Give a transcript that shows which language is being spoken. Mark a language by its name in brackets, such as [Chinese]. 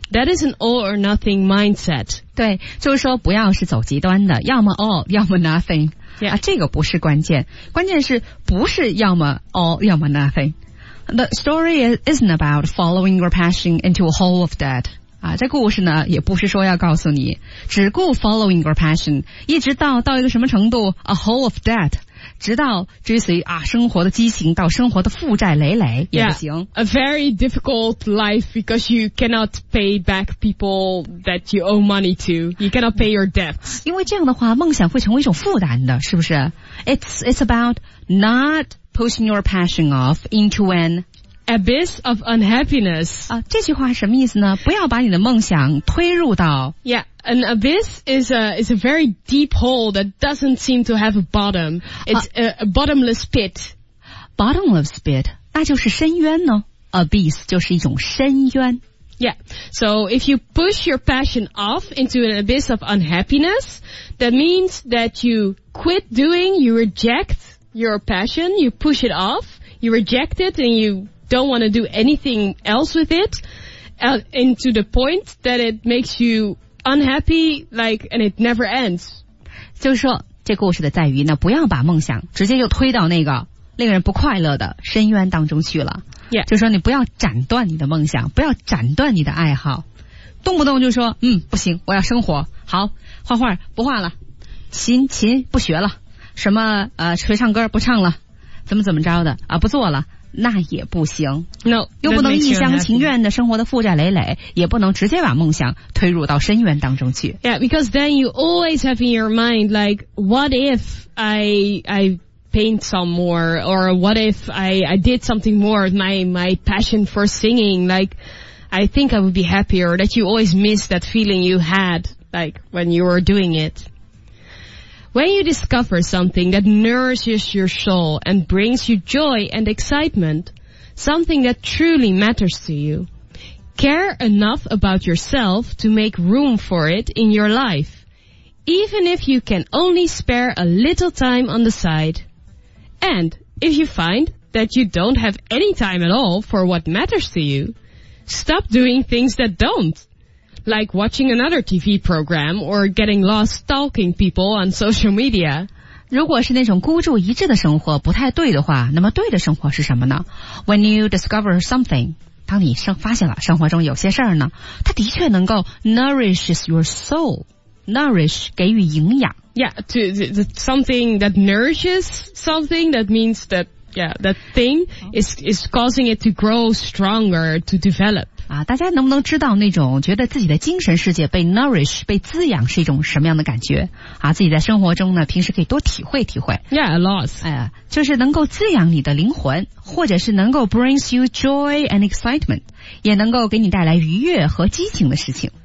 [English] That is an all or nothing mindset. [Chinese] 对，就是说不要是走极端的，要么 all, 要么 nothing. [English] Yeah. [Chinese] 啊，这个不是关键，关键是不是要么 all, 要么 nothing. [English] The story isn't about following your passion into a hole of debt. [Chinese] 啊，这故事呢也不是说要告诉你只顾 [English] following your passion [Chinese] 一直到一个什么程度 [English] a hole of debt [Chinese] 直到追随啊生活的激情到生活的负债累累也不行 [English] yeah, a very difficult life because you cannot pay back people that you owe money to you cannot pay your debts [Chinese] 因为这样的话梦想会成为一种负担的是不是 [English] it's about not pushing your passion off into an Abyss of unhappiness. [Chinese] 啊，这句话什么意思呢？不要把你的梦想推入到。 [English] Yeah, an abyss is a very deep hole that doesn't seem to have a bottom. It's a bottomless pit. Bottomless pit, [Chinese] 那就是深渊呢。Abyss 就是一种深渊。 [English] Yeah, so if you push your passion off into an abyss of unhappiness, that means that you quit doing, you reject your passion, you push it off, you reject it and you... don't want to do anything else with it, and to the point that it makes you unhappy, like, and it never ends. [Chinese] 就是说这故事的在于呢不要把梦想直接就推到那个令人不快乐的深渊当中去了。 [English] Yeah. [Chinese] 就是说你不要斩断你的梦想不要斩断你的爱好。动不动就说嗯不行我要生活好画画不画了琴不学了什么锤唱歌不唱了怎么着的啊不做了。那也不行 [English] no, [Chinese] 又不能一厢情愿的生活的负债累累也不能直接把梦想推入到深渊当中去 [English] Yeah, because then you always have in your mind like what if I paint some more or what if I did something more my passion for singing like I think I would be happier that you always miss that feeling you had like when you were doing itWhen you discover something that nourishes your soul and brings you joy and excitement, something that truly matters to you, care enough about yourself to make room for it in your life, even if you can only spare a little time on the side. And if you find that you don't have any time at all for what matters to you, stop doing things that don't. Like watching another TV program or getting lost stalking people on social media. [Chinese] 如果是那种孤注一掷的生活不太对的话那么对的生活是什么呢 [English] When you discover something, [Chinese] 当你发现了生活中有些事儿呢它的确能够 [English] nourishes your soul, [Chinese] nourish 给予营养。 [English] Yeah, to something that nourishes something, that means that, yeah, that thing is causing it to grow stronger, to develop. [Chinese] 啊，大家能不能知道那种觉得自己的精神世界被 nourish 被滋养是一种什么样的感觉啊？自己在生活中呢，平时可以多体会体会。 [English] Yeah, a lot. [Chinese] 哎呀，就是能够滋养你的灵魂，或者是能够 [English] brings you joy and excitement， [Chinese] 也能够给你带来愉悦和激情的事情。